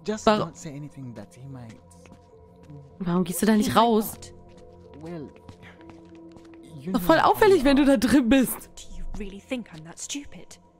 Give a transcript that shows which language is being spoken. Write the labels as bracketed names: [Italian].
[English] Just don't say anything that he might. [German] Warum gehst du da nicht raus? [English] Well, you know, [German] voll auffällig, wenn du da drin bist. [English] Do you really think I'm that stupid?